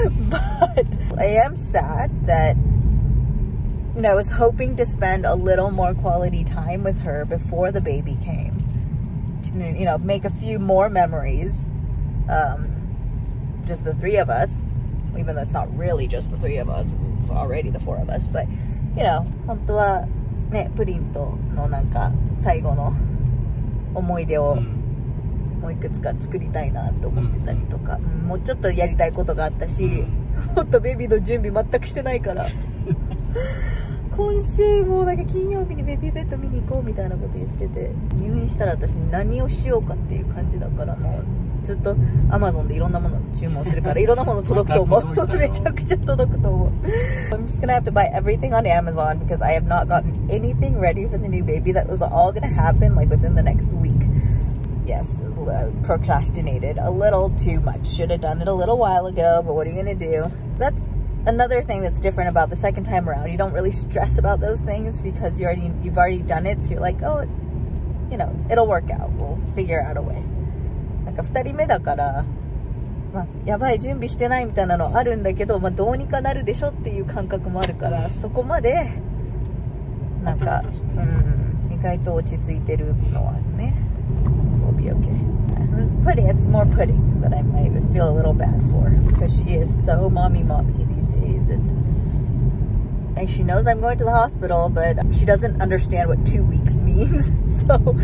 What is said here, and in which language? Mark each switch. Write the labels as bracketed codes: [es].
[en] But I am sad that... And I was hoping to spend a little more quality time with her before the baby came. To, you know, make a few more memories. Just the three of us. Even though it's not really just the three of us. It's already the four of us. But, you know. [ja] 本当は、ね、プリントのなんか最後の思い出をもういくつか作りたいなと思ってたりとか。もうちょっとやりたいことがあったし。ホットベビーの準備全くしてないから今週もなんか金曜日にベビーベッド見に行こうみたいなこと言ってて、入院したら私何をしようかっていう感じだから、もうずっとアマゾンでいろんなもの注文するから、いろんなもの届くと思う。めちゃくちゃ届くと思う。 [en] I'm just gonna have to buy everything on Amazon because I have not gotten anything ready for the new baby. That was all gonna happen like within the next week. Yes, procrastinated a little too much. Should have done it a little while ago, but what are you gonna do? That's another thing that's different about the second time around. You don't really stress about those things because you've already done it. So you're like, oh, you know, it'll work out. We'll figure out a way. [ja] 2人目だから、まあ、やばい準備してないみたいなのあるんだけど、まあ、どうにかなるでしょっていう感覚もあるから、そこまでなんか、意外と落ち着いてるのはね。 [en] We'll be okay. It's pudding, it's more pudding that I might feel a little bad for, because she is so mommy these days, and she knows I'm going to the hospital, but she doesn't understand what 2 weeks means, so